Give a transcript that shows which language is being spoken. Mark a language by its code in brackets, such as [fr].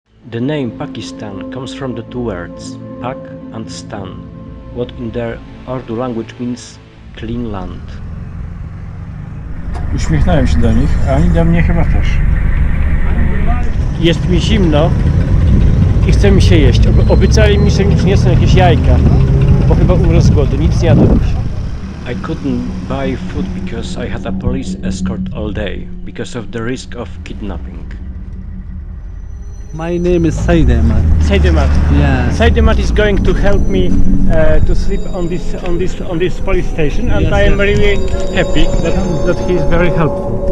[en] The name Pakistan comes from the two words, Pak and Stan, what in their Urdu language means clean land. [pl] Uśmiechnąłem się do nich, a oni do mnie chyba też. Jest mi zimno i chce mi się jeść. Obiecali mi, że mi przyniosą jakieś jajka, bo chyba umrę z głodu, nic nie jadłem. [en] I couldn't buy food because I had a police escort all day, because of the risk of kidnapping. My name is Saidemat. Saidemat. Yeah. Saidemat is going to help me to sleep on this police station, and yes, I am really happy that he is very helpful.